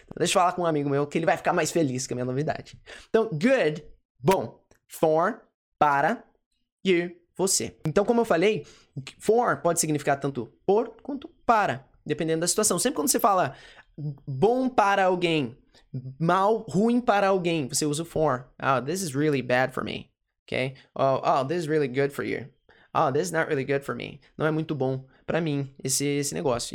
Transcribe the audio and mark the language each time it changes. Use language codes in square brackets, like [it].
[pt] Deixa eu falar com um amigo meu que ele vai ficar mais feliz com a minha novidade. Então, good, bom. For, para, you, você. Então, como eu falei, for pode significar tanto por quanto para, dependendo da situação. Sempre quando você fala bom para alguém, mal, ruim para alguém, você usa o for. [en] Oh, this is really bad for me. Okay? Oh, oh, this is really good for you. Oh, this is not really good for me. [pt] Não é muito bom pra mim esse negócio.